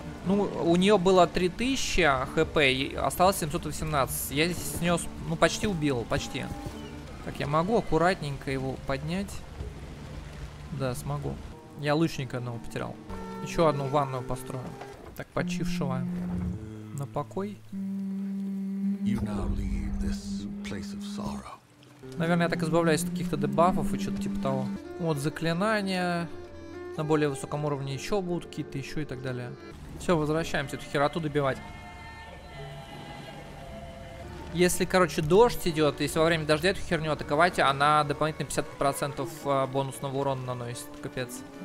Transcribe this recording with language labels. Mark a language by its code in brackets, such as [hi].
[ru] Ну, у нее было 3000 хп, осталось 718. Я снес, ну, почти убил, почти. Так, я могу аккуратненько его поднять. Да, смогу. Я лучника одного потерял. Еще одну ванную построю. Так, почившего. На покой. [en] You now leave this place of sorrow. [ru] Наверное, я так избавляюсь от каких-то дебафов и что-то типа того. Вот заклинания. На более высоком уровне еще будут какие-то, еще и так далее. Все, возвращаемся, эту хероту добивать. Если, короче, дождь идет, если во время дождя эту херню атаковать, она дополнительно 50% бонусного урона наносит. Капец.